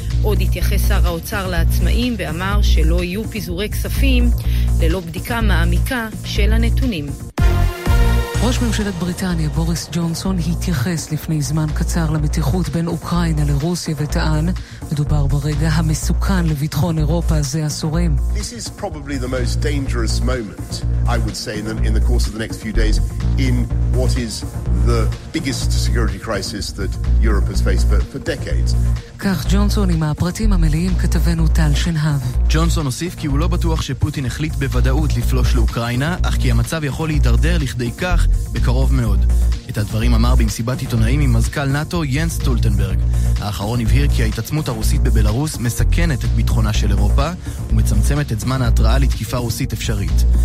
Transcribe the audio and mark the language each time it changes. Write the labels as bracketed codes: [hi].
[he] עוד התייחס שר האוצר לעצמאים ואמר שלא יהיו פיזורי כספים ללא בדיקה מעמיקה של הנתונים. ראש ממשלת בריטניה בוריס ג'ונסון התייחס לפני זמן קצר למתיחות בין אוקראינה לרוסיה וטען מדובר ברגע המסוכן לביטחון אירופה זה עשורים. [en] This is probably the most dangerous moment I would say in the course of the next few days in what is the biggest security crisis that Europe has faced for decades. [he] כך ג'ונסון עם הפרטים המלאים כתבנו טל שנהב. ג'ונסון הוסיף כי הוא לא בטוח שפוטין החליט בוודאות לפלוש לאוקראינה, אך כי המצב יכול להידרדר לכדי כך בקרוב מאוד. את הדברים אמר במסיבת עיתונאים עם מזכ"ל נאטו ינס טולטנברג. האחרון הבהיר כי ההתעצמות הרוסית בבלרוס מסכנת את ביטחונה של אירופה ומצמצמת את זמן ההתראה לתקיפה רוסית אפשרית.